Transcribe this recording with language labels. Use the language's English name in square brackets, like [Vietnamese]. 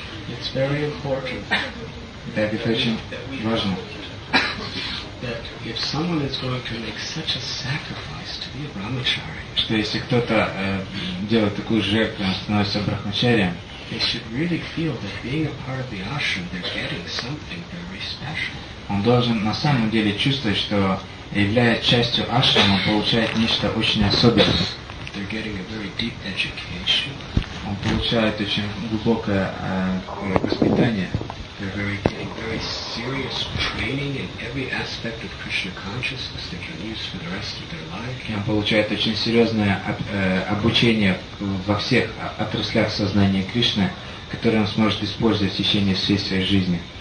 [English] It's very important that if someone is going to make such a sacrifice to be a brahmachari, [Russian] что если кто-то делает такую жертву, он становится брахмачарием, [English] they should really feel that being a part of the ashram, they're getting something very special. [Russian] Он должен на самом деле чувствовать, что являясь частью ашрама, он получает нечто очень особенное. [English] They're getting a very deep education. [Russian] Он получает очень глубокое воспитание. [English] They're getting very serious training in every aspect of Krishna consciousness they can use for the rest of their life. [Russian] Он получает очень серьезное обучение во всех отраслях сознания Кришны, которое он сможет использовать в течение всей своей жизни.